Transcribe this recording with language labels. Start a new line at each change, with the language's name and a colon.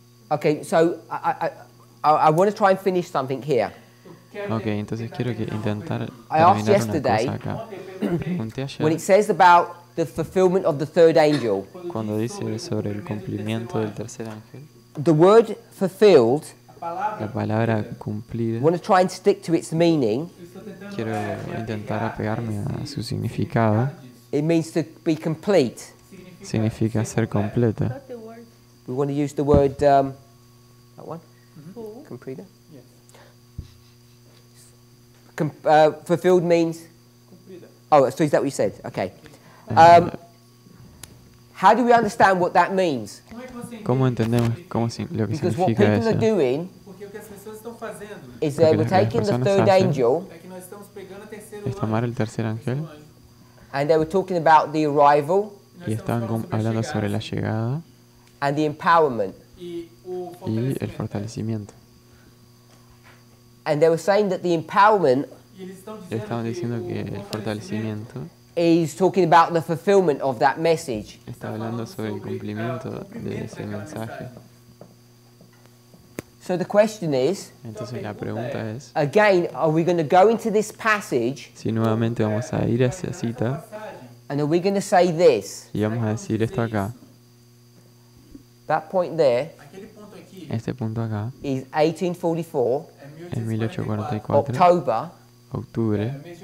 English: Okay, so I want to try and finish something here.
Spanish: Okay, entonces quiero que intentar terminar una cosa acá.
English: When it says about the fulfillment of the third angel.
Spanish: Cuando dice sobre el cumplimiento del tercer ángel.
English: The word fulfilled.
Spanish: La palabra cumplida.
English: Want to try and stick to its meaning.
Spanish: Quiero intentar apegarme a su significado.
English: It means to be complete.
Spanish: Significa ser completa.
English: We want to use the word that one.
Spanish: Mm-hmm. Completa.
English: Fulfilled means. Oh, so is that what you said? Okay. How do we understand what that means?
Spanish: ¿Cómo entendemos cómo lo que eso?
English: Because what people are doing is they were taking the third angel.
Spanish: Es tomar el tercer ángel.
English: And they were talking about the arrival.
Spanish: Y estaban hablando sobre la llegada.
English: And the empowerment.
Spanish: Y el fortalecimiento.
English: And they were saying that the empowerment.
Spanish: Y estaban diciendo que el fortalecimiento.
English: Is talking about the fulfillment of that message.
Spanish: Está hablando sobre el cumplimiento de ese mensaje.
English: So the question is.
Spanish: Entonces la pregunta es.
English: Again, are we going to go into this passage?
Spanish: Si nuevamente vamos a ir a esa cita.
English: And are we going to say this?
Spanish: Y vamos a decir esto acá.
English: That point there.
Spanish: Este punto acá.
English: Is 1844.
Spanish: En 1844.
English: October.
Spanish: Octubre.